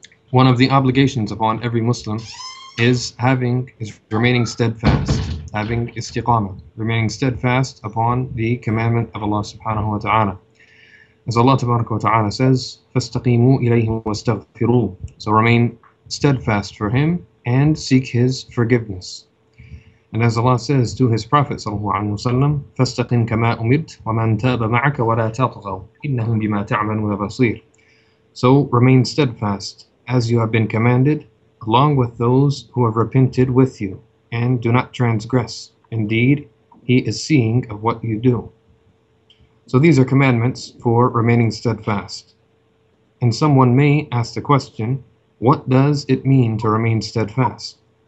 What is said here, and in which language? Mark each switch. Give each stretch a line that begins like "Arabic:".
English: One of the obligations upon every Muslim is remaining steadfast, having istiqamah, remaining steadfast upon the commandment of Allah subhanahu wa ta'ala. As Allah tabaraka wa ta'ala says,
Arabic: فَاسْتَقِيمُوا إِلَيْهِ وَاسْتَغْفِرُوا.
English: So remain steadfast for him and seek his forgiveness. And as Allah says to his Prophet sallallahu alaihi wasallam,
Arabic: فَاسْتَقِمْ كَمَا أُمِرْتْ وَمَنْ تَابَ مَعَكَ وَلَا تَطْغَوْا إِنَّهُمْ بِمَا تَعْمَلُونَ بَصِيرٌ.
English: So remain steadfast as you have been commanded, along with those who have repented with you, and do not transgress. Indeed, he is seeing of what you do. So these are commandments for remaining steadfast. And someone may ask the question, what does it mean to remain steadfast?